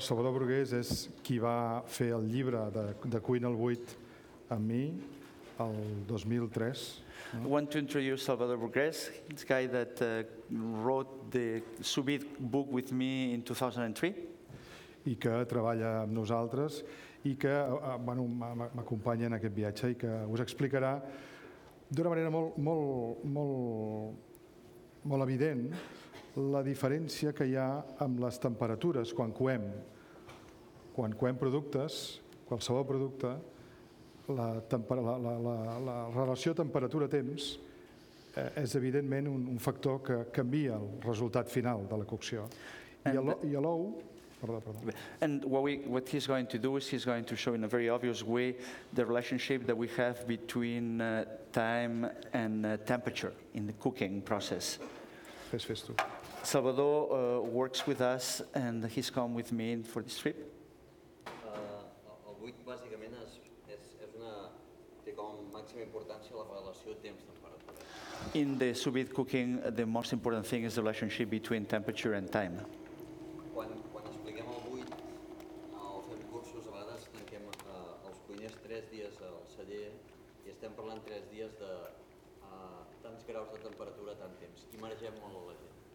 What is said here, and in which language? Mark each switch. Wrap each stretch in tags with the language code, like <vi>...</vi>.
<ca>Salvador Burgués és qui va fer el llibre de cuina al buit amb mi el 2003.</ca> <en>I want to introduce Salvador Burgués, this guy that wrote the sous vide book with me in 2003.</en> <ca>I que treballa amb nosaltres i que bueno, m'acompanya en aquest viatge i que us explicarà d'una manera molt evident la diferència que hi ha amb les temperatures quan coem. Quan coem productes, qualsevol producte, la relació temperatura-temps és evidentment un factor que canvia el resultat final de la cocció. I l'ou...</ca> <en>And what he's going to do is he's going to show in a very obvious way the relationship that we have between time and temperature in the cooking process.</en> <ca>Fes tu.</ca> <en>Salvador works with us and he's come with me for this trip.</en> <ca>El buit bàsicament és una, té com màxima importància la relació temps-temperatura.</ca> <en>In the sous vide cooking, the most important thing is the relationship between temperature and time.</en> <ca>Quan expliquem el buit o fem cursos, a vegades tanquem els cuiners 3 dies al celler i estem parlant 3 dies de tants graus de temperatura, tant temps, i maregem molt la gent.</ca>